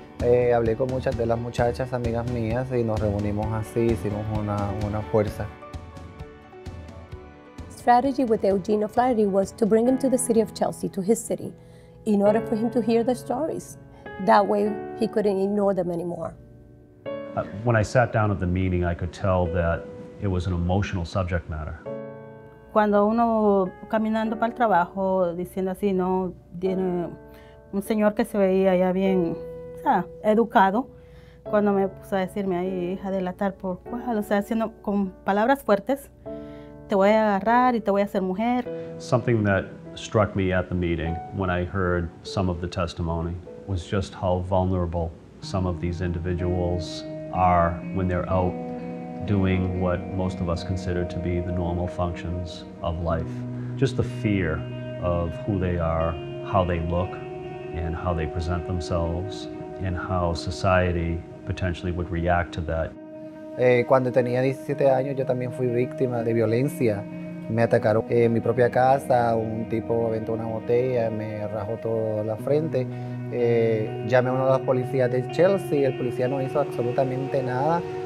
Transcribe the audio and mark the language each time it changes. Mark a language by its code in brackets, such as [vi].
[es] Hablé con muchas de las muchachas, amigas mías, y nos reunimos así, hicimos una fuerza. [en] The strategy with Eugene O'Flaherty was to bring him to the city of Chelsea, to his city, in order for him to hear the stories. That way, he couldn't ignore them anymore. When I sat down at the meeting, I could tell that it was an emotional subject matter. [es] Cuando uno caminando para el trabajo, diciendo así, no, tiene un señor que se veía ya bien, educado, cuando me puso a decirme ahí, hija de latar por cuál, o sea, haciendo con palabras fuertes. Te voy a agarrar y te voy a hacer mujer. [en] Something that struck me at the meeting when I heard some of the testimony was just how vulnerable some of these individuals are when they're out doing what most of us consider to be the normal functions of life. Just the fear of who they are, how they look, and how they present themselves, and how society potentially would react to that. [es] Cuando tenía 17 años, yo también fui víctima de violencia. Me atacaron en mi propia casa, un tipo aventó una botella, me rajó toda la frente. Llamé a uno de los policías de Chelsea, el policía no hizo absolutamente nada.